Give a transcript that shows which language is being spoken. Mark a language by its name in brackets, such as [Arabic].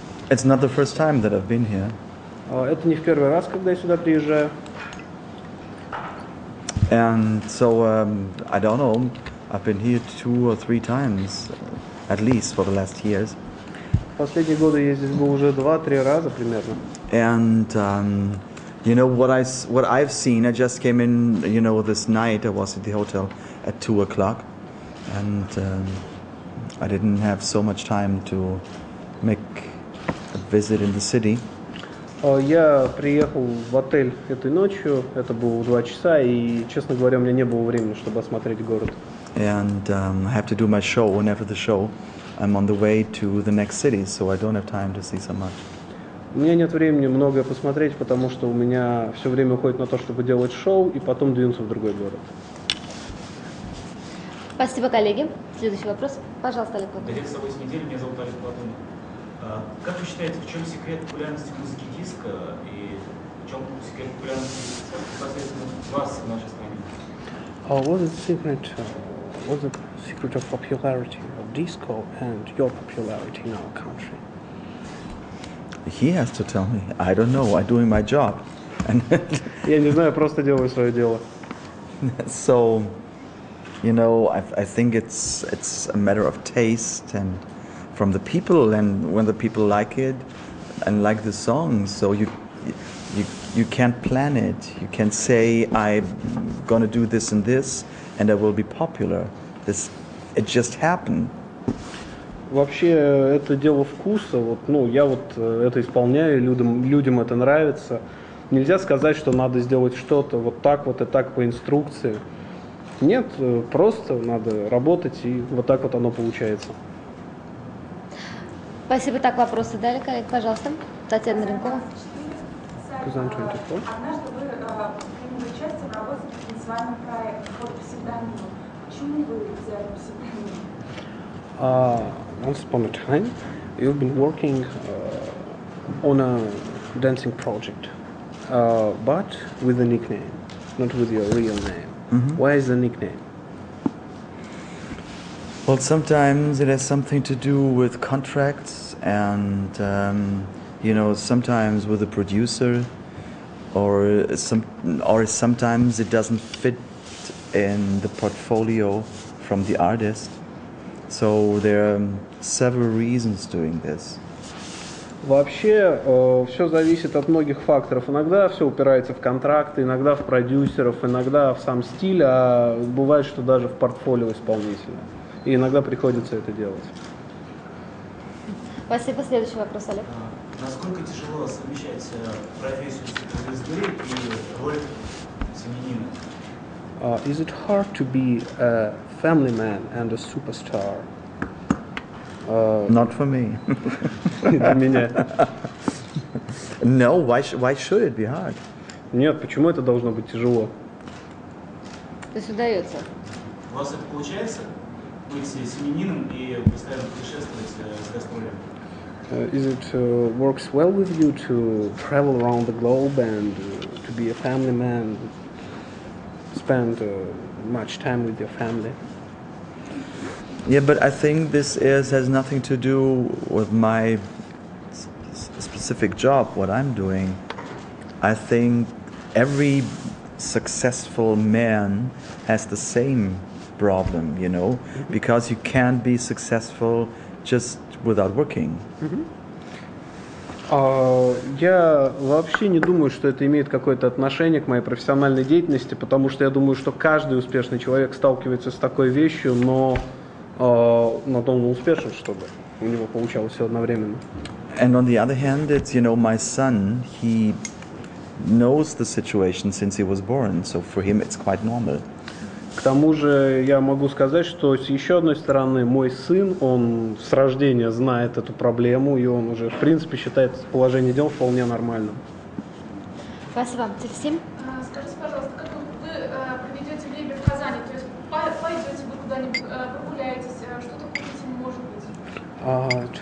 [English] It's not the first time that I've been here. [Russian] Это не в первый раз, когда я сюда приезжаю. [English] And so I don't know. I've been here two or three times, at least for the last years. [Russian] Последние годы я здесь был уже два-три раза примерно. [English] And you know what I've seen. I just came in. You know, this night I was at the hotel at 2 o'clock, and I didn't have so much time to make a visit in the city. [Russian] Я приехал в отель этой ночью. Это было 2 часа, и, честно говоря, у меня не было времени, чтобы осмотреть город. [English] And I have to do my show. And after the show, I'm on the way to the next city, so I don't have time to see so much. [Russian] У меня нет времени многое посмотреть, потому что у меня все время уходит на то, чтобы делать шоу и потом двинуться в другой город. Спасибо, коллеги. Следующий вопрос. Пожалуйста, Олег Платонов. Олег, с 8 недель. Меня зовут Олег Платонов. Как вы считаете, в чем секрет популярности музыки диска и в чем секрет популярности непосредственно вас в нашей стране? [English] What's the secret of popularity of disco and your popularity in our country? He has to tell me. I don't know. I'm doing my job. [Russian] Я не знаю, просто делаю свое дело. [English] So, you know, I think it's a matter of taste and from the people, and when the people like it and like the song, so you can't plan it. You can't say I'm gonna do this and this and I will be popular. It just happened. [Russian] Вообще, это дело вкуса, вот, ну, я вот это исполняю, людям это нравится. Нельзя сказать, что надо сделать что-то вот так вот и так по инструкции. Нет, просто надо работать, и вот так вот оно получается. Спасибо. Так, вопросы дали, коллеги, пожалуйста. Татьяна Ренкова. Казан 24. Однажды вы приняли участие в работе с вами проект под псевдонимом. Почему вы взяли псевдоним? [English] Once upon a time, you've been working on a dancing project, but with a nickname, not with your real name. Mm-hmm. Why is the nickname? Well, sometimes it has something to do with contracts and, you know, sometimes with a producer, or sometimes it doesn't fit in the portfolio from the artist. So there are several reasons doing this. [Russian] Вообще, все зависит от многих факторов. Иногда все упирается в контракты, иногда в продюсеров, иногда в сам стиль, а бывает, что даже в портфолио исполнителя. И иногда приходится это делать. Спасибо. Следующий вопрос, Олег. Насколько тяжело совмещать профессию звезды и роль семьянина? [English] Is it hard to be a family man and a superstar? Not for me. No, why should it be hard? [Russian] Нет, почему это должно быть тяжело? То есть удается. У вас это получается? Быть семьянином и постоянно путешествовать с гастролями? [English] Is it works well with you to travel around the globe and to be a family man, spend much time with your family? Yeah, but I think this has nothing to do with my specific job, what I'm doing. I think every successful man has the same problem, you know, mm-hmm. because you can't be successful just without working. Mm-hmm. [Russian] Я вообще не думаю, что это имеет какое-то отношение к моей профессиональной деятельности, потому что я думаю, что каждый успешный человек сталкивается с такой вещью, но на том он успешен, чтобы у него получалось все одновременно. [English] And on the other hand, it's, you know, my son, he knows the situation since he was born, so for him it's quite normal. [Russian] К тому же я могу сказать, что с еще одной стороны, мой сын, он с рождения знает эту проблему, и он уже, в принципе, считает положение дел вполне нормальным. Спасибо вам. Цель 7. Скажите, пожалуйста, как вы проведете время в Казани? То есть пойдете вы куда-нибудь, прогуляетесь, что-то купите, может быть?